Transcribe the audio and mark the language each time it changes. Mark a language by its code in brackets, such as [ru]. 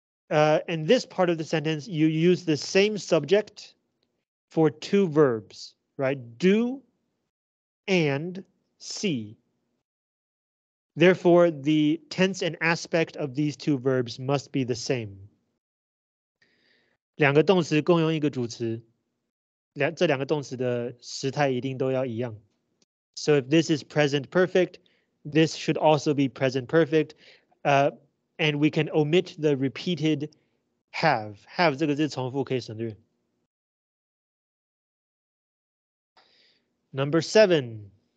[en] And this part of the sentence, you use the same subject for two verbs, right? Do and see. Therefore, the tense and aspect of these two verbs must be the same. [zh] 两个动词共用一个主词。这两个动词的时态一定都要一样. [en] So if this is present perfect, this should also be present perfect. And we can omit the repeated have. [zh] Have这个字重复可以省略. [en] Number seven.